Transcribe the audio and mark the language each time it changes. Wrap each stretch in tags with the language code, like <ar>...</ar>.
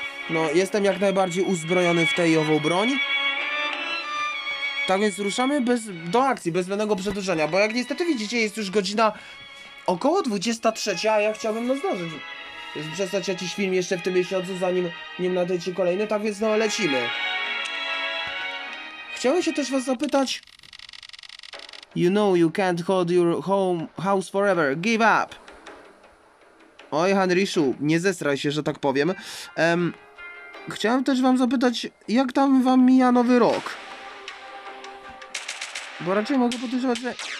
<pl>No, jestem jak najbardziej uzbrojony w tę i ową broń. Tak więc ruszamy do akcji, bez żadnego przedłużenia. Bo jak niestety widzicie, jest już godzina około 23, a ja chciałbym, no, zdążyć. Przestać jakiś film jeszcze w tym miesiącu, zanim nadejdzie kolejny. Tak więc, no, lecimy. Chciałem się też was zapytać...</pl> <en>You know you can't hold your house forever, give up!</en> <pl>Oj, Henryszu, nie zesraj się, że tak powiem. Chciałem też wam zapytać, jak tam wam mija nowy rok? Bo raczej mogę podejrzewać, że...</pl>